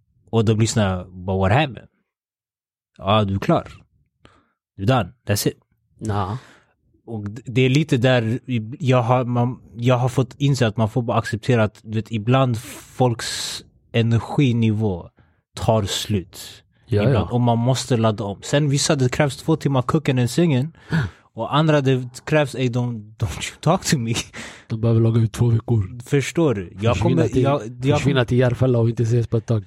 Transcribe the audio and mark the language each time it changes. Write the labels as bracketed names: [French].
[Swedish] Och de lyssnar på [English] what happened. [Swedish] Ja, du är klar. Du är done. [English] That's it. Nah. [Swedish] Och det är lite där jag har fått inse att man får bara acceptera att du vet, ibland folks energinivå tar slut. Ja, ibland, ja. Och man måste ladda om. Sen vissa, det krävs 2 timmar [English] cooking and singing. [Swedish] Och andra, det krävs ej, [English] don't you talk to me. [Swedish] De behöver laga ut 2 veckor. Förstår du? Jag kommer försvinna till Järfälla och inte ses på ett tag.